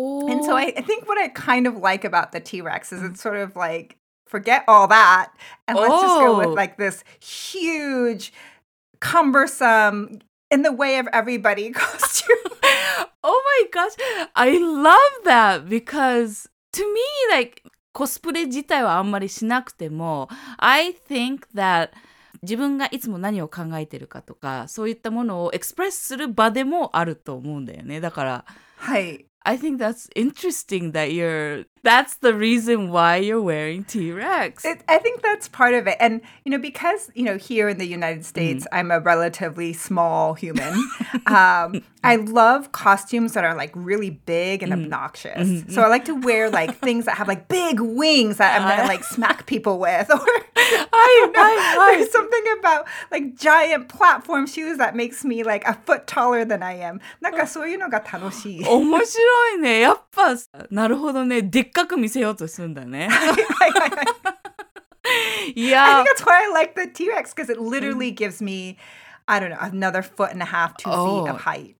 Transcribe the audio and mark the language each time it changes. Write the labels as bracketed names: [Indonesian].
[English] And so I think what I kind of like about the T-Rex is it's sort of like, forget all that, and let's just go with like this huge, cumbersome, in the way of everybody costume. Oh my gosh, I love that because to me, like, cosplay [Japanese] 自体はあんまりしなくても, [English] I think that... [Japanese] 自分がいつも何を考えてるかとかそういったものをエクスプレスする場でもあると思うんだよねだからはい [English] I think that's interesting that you're that's the reason why you're wearing T-Rex I think that's part of it and you know because you know here in the United States I'm a relatively small human I love costumes that are like really big and obnoxious so I like to wear like things that have like big wings that I'm gonna like smack people with orI There's something about like giant platform shoes that makes me like a foot taller than I am. [Japanese] なんかそういうのが楽しい。面白いね。やっぱなるほどね。でっかく見せようとするんだね。 [English] Yeah. I think that's why I like the T-Rex because it literally gives me, I don't know, another foot and a half, two feet of height.